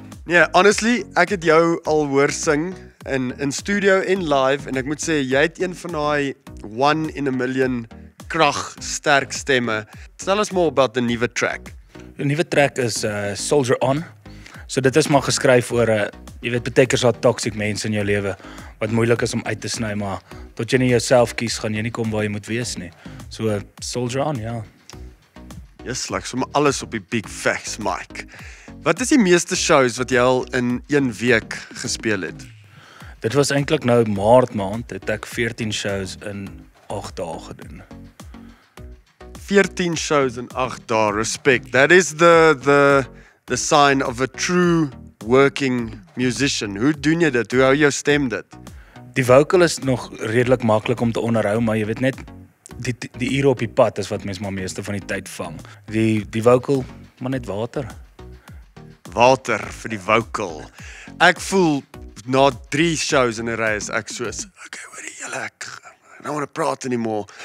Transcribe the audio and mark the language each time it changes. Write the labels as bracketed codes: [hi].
[af] Nee, honestly, ek het jou al hoor sing in studio en live en ek moet sê, jy het een van daai [en] one in a million [af] krag, sterk stemme. [en] Tell us more about the nuwe track. [af] Die nuwe track is Soldier On. So dit is maar geskryf oor, jy weet, beteken so toxic mense in jou lewe, wat moeilik is om uit te sny, maar tot jy nie jouself kies, gaan jy nie kom waar jy moet wees nie. So, soldier on, ja. Yes, like, so maar alles op die big facts, Mike. Wat is die meeste shows wat jy al in een week gespeel het? Dit was eintlik nou maart maand, het ek 14 shows in 8 dae gedoen. 14 shows in 8 dae, respect. [en] That is the sign of a true working musician. [af] Hoe doen jy dit? Hoe hou jou stem dit? Die vocal is nog redelik maklik om te onderhou, maar jy weet net, die ure op die pad is wat mens maar meeste van die tyd vang. Die vocal, maar net water. Water vir die vocal. Ek voel, na 3 shows in die rij is ek soos, okay, hoor jy, ek nou want te praat anymore.